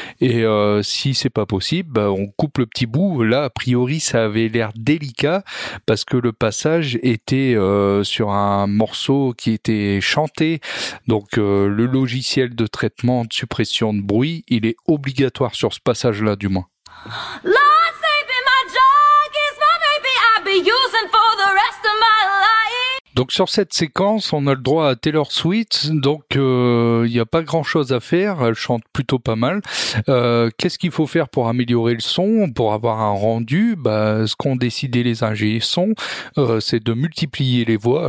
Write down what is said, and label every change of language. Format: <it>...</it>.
<fr>Et si c'est pas possible, bah, on coupe le petit bout. Là, a priori, ça avait l'air délicat parce que le passage était sur un morceau qui était chanté. Donc le logiciel de traitement de suppression de bruit, il est obligatoire sur ce passage-là, du moins.</fr> <en>Lord, save me, my junk is my baby, I'll be using for the rest of my life.</en> <fr>Donc sur cette séquence, on a le droit à Taylor Swift, donc il n'y a pas grand-chose à faire, elle chante plutôt pas mal. Qu'est-ce qu'il faut faire pour améliorer le son, pour avoir un rendu? Ce qu'ont décidé les ingénieurs son, c'est de multiplier les voix.</fr>